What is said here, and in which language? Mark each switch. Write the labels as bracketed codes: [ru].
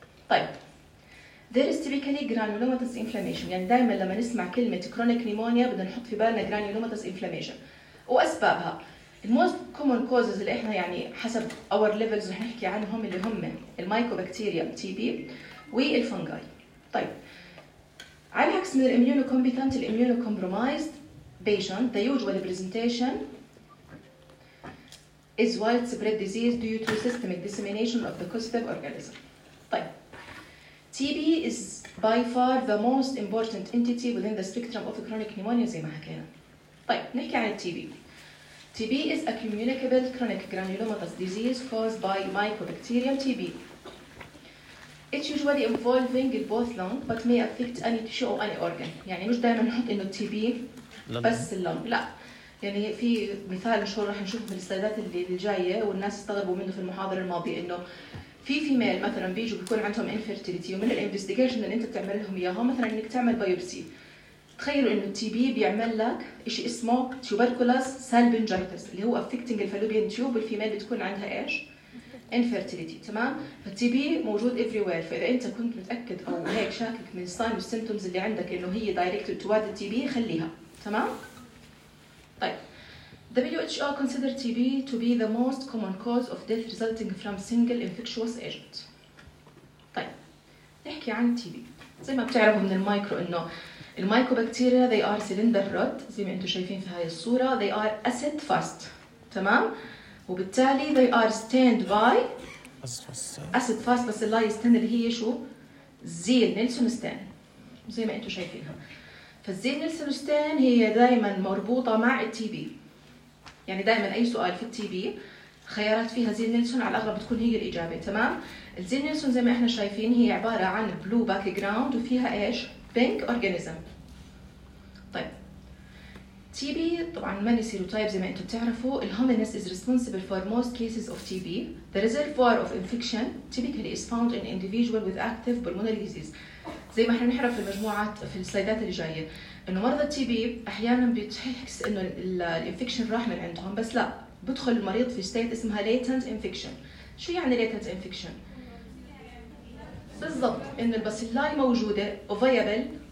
[ar] طيب [en] there is typically granulomatous inflammation، [ar] يعني دائما لما نسمع كلمة chronic pneumonia بدنا نحط في بالنا granulomatous inflammation وأسبابها. [en] The most common causes [ar] اللي احنا يعني حسب [en] our levels [ar] رح نحكي عنهم اللي هم المايكوبكتيريا TB والفنجاي. طيب على عكس من [en] الاميونوكومبيتنت الاميونوكومبرومايزد patient the usual presentation is widespread disease due to systemic dissemination of the causative organism. طيب TB is by far the most important entity within the spectrum of chronic pneumonia [ar] زي ما حكينا. طيب نحكي عن [en] TB. TB is a communicable chronic granulomatous disease caused by mycobacterial TB. It's usually involving both lungs but may affect any tissue or any organ. [ar] يعني مش دائما نحط انه TB بس اللنج. لا. يعني في مثال مشهور راح نشوفه في السلايدات اللي الجاية والناس استغربوا منه في المحاضرة الماضية انه في فيميل مثلا بيجوا بيكون عندهم infertility ومن الانفستيجيشن اللي انت بتعمل لهم اياها مثلا انك تعمل بايوبسي. تخيلوا انه التي بي بيعمل لك اشي اسمه tuberculous salpingitis اللي هو affecting الفالوبيان تيوب والفيميل بتكون عندها ايش؟ infertility. تمام؟ فالتي بي موجود everywhere. فاذا انت كنت متأكد او هيك شاكك من الساين والسيمتومز اللي عندك انه هي [en] directed toward [ar] التي بي خليها. تمام؟ طيب [en] WHO consider TB to be the most common cause of death resulting from single infectious agent. [ar] طيب نحكي عن TB. زي ما بتعرفوا من المايكرو انه المايكوبكتيريا [en] they are cylinder rod [ar] زي ما انتم شايفين في هاي الصورة [en] they are acid fast. [ar] تمام؟ وبالتالي [en] they are stained by acid fast [ar] بس اللي يستند اللي هي شو؟ زيل نيلسون ستين زي ما انتم شايفينها. فالزين نيلسون ستين هي دائما مربوطة مع التي بي. يعني دائما أي سؤال في التي بي خيارات فيها زين نيلسون على الأغلب بتكون هي الإجابة. تمام؟ الزين نيلسون زي ما إحنا شايفين هي عبارة عن بلو باك جراوند وفيها إيش؟ بينك أورجانيزم. طيب تي بي طبعا ماني سيروتايب زي ما أنتم تعرفوا. [en] الهومينس is responsible for most cases of TB. The reservoir of infection typically is found in individual with active pulmonary disease. [ar] زي ما احنا نحرف في المجموعات في السلايدات اللي جايه انه مرضى التي بي احيانا بتحس انه الانفكشن راح من عندهم بس لا بدخل المريض في ستيت اسمها latent infection. شو يعني latent infection؟ بالضبط انه الباسيلاي موجوده وفيابل.